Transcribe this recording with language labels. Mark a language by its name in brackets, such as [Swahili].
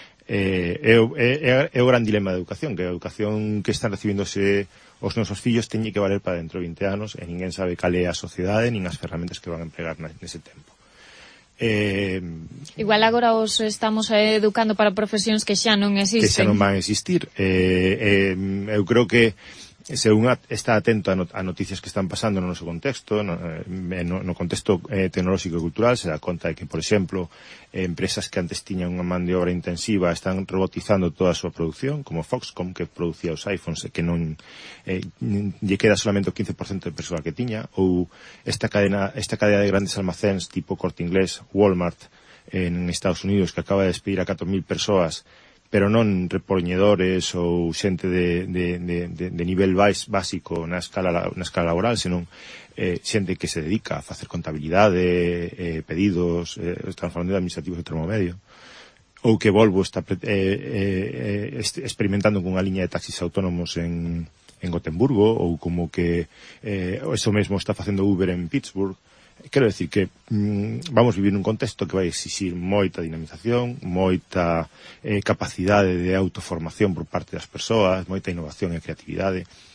[Galician] É o gran dilema da educación, que a educación que están recibiéndose os nosos fillos teñe que valer para dentro de 20 anos e ninguén sabe cal é a sociedade nin as ferramentas que van a empregar nese tempo. Igual agora os estamos educando para profesións que xa non existen. Que xa non van a existir. Eu creo que [Spanish] según está atento a noticias que están pasando en nuestro contexto, en contexto tecnológico y cultural, se da cuenta de que, por ejemplo, empresas que antes tenían una mano de obra intensiva están robotizando toda su producción, como Foxconn, que producía los iPhones, que no lle queda solamente el 15% de personal que tenía, o esta cadena de grandes almacenes tipo Corte Inglés, Walmart, en Estados Unidos, que acaba de despedir a 4.000 personas, [Galician] pero non repoñedores ou xente de nivel básico na escala laboral, senón xente que se dedica a facer contabilidade, pedidos, estamos falando de administrativos de termomedio, ou que Volvo está experimentando cunha liña de taxis autónomos en Gotemburgo, ou como que eso mesmo está facendo Uber en Pittsburgh. Quero decir que vamos vivir nun contexto que vai exixir moita dinamización, moita capacidade de autoformación por parte das persoas, moita innovación e creatividade.